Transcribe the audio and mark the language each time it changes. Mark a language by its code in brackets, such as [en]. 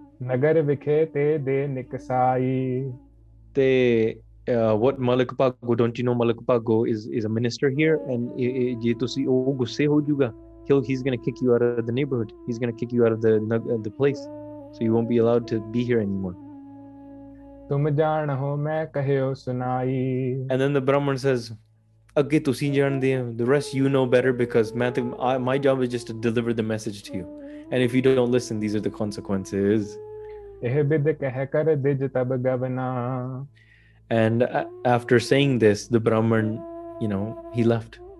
[pa] Nagar vikhe te de nikasai. Te... [en] what Malik Pagu, don't you know Malik Pagu is a minister here, and he's going to kick you out of the neighborhood, he's going to kick you out of the place. So you won't be allowed to be here anymore. [hi] तुम जान हो मैं कहियो सुनाई. [en] And then the Brahman says, [pa] अग्गे तुसी जान दे, [en] the rest you know better, because my job is just to deliver the message to you. And if you don't listen, these are the consequences. [pa] ਇਹ ਬਿਦ ਕਹਿ ਕਰ ਦਿਜ ਤਬ ਗਵਨਾ. [en] And after saying this, the Brahman, he left.